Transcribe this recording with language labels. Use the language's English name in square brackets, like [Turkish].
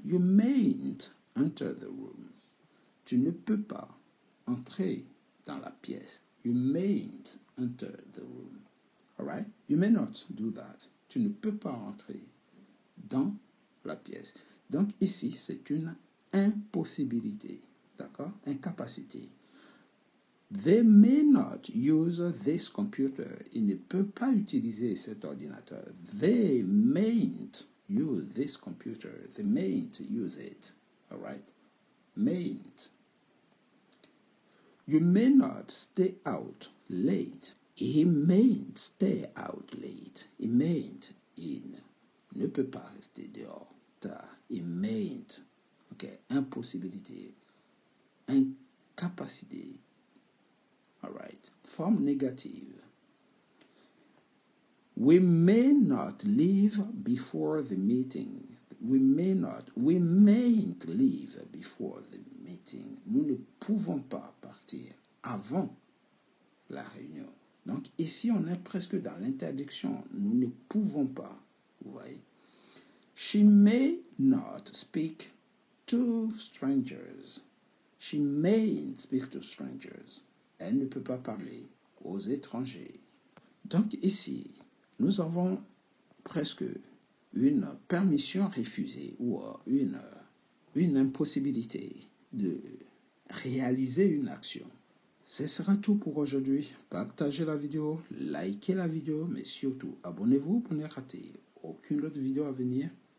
[English] You mayn't enter the room. [French] » Tu ne peux pas entrer dans la pièce. [English] « You mayn't enter the room. » All right? « You may not do that. [French] » Tu ne peux pas entrer dans la pièce. Donc ici, c'est une impossibilité, d'accord? Incapacité. [English] They may not use this computer. [French] Ils ne peuvent pas utiliser cet ordinateur. [English] They mayn't use this computer. They mayn't use it. All right? Mayn't. You may not stay out late. He mayn't stay out late. He mayn't. [French] Il ne peut pas rester dehors tard. [English] He mayn't. OK. [French] Impossibilité. Incapacité. [English] All right. [French] Forme négative. [English] We may not leave before the meeting. We may not. We mayn't leave before the meeting. [French] Nous ne pouvons pas partir avant la réunion. Donc ici, on est presque dans l'interdiction. Nous ne pouvons pas. Vous voyez? [English] She may not speak to strangers. She mayn't speak to strangers. [French] Elle ne peut pas parler aux étrangers. Donc ici, nous avons presque une permission refusée ou une impossibilité de réaliser une action. Ce sera tout pour aujourd'hui. Partagez la vidéo, likez la vidéo, mais surtout abonnez-vous pour ne rater aucune autre vidéo à venir.